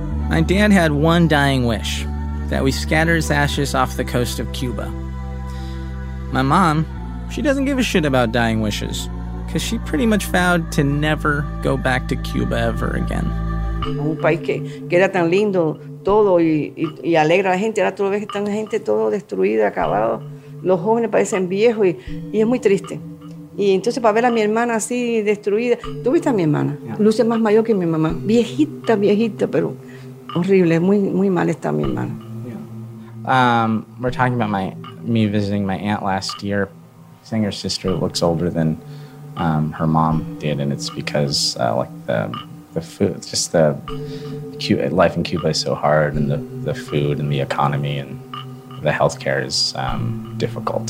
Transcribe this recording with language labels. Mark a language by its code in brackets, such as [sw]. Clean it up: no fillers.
[en] My dad had one dying wish, that we scatter his ashes off the coast of Cuba. My mom, she doesn't give a shit about dying wishes, because she pretty much vowed to never go back to Cuba ever again. [es] Un país que era tan lindo, todo, y alegra a la gente, ahora tú ves que están la gente todo destruida, acabado. Los jóvenes parecen viejos, y es muy triste. Y entonces para ver a mi hermana así, destruida, ¿tú viste a mi hermana? Yeah. Luce más mayor que mi mamá, viejita, viejita, pero... horrible, muy, muy mal está mi hermana. [en] Yeah. We're talking about me visiting my aunt last year, saying her sister looks older than her mom did, and it's because the food, just life in Cuba is so hard, and the food and the economy and the healthcare is difficult.